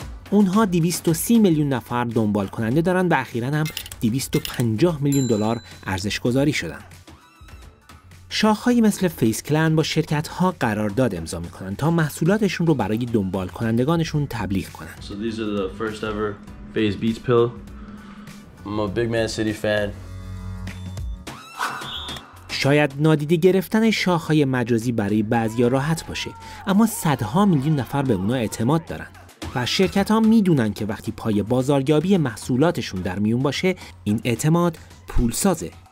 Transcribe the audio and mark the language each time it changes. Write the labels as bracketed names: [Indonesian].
[Persian] اونها 230 میلیون نفر دنبال کننده دارن و اخیراً هم 250 میلیون دلار ارزش گذاری شدن. شاخهایی مثل فیس کلن با شرکت‌ها قرارداد امضا می‌کنن تا محصولاتشون رو برای دنبال کنندگانشون تبلیغ کنن. [English] So these are the first ever Phase Beats pill. I'm a big Man City fan. [Persian] شاید نادیده گرفتن شاخهای مجازی برای بعضیا راحت باشه، اما صدها میلیون نفر به اونا اعتماد دارن. و شرکت ها میدونن که وقتی پای بازاریابی محصولاتشون در میون باشه، این اعتماد پول سازه.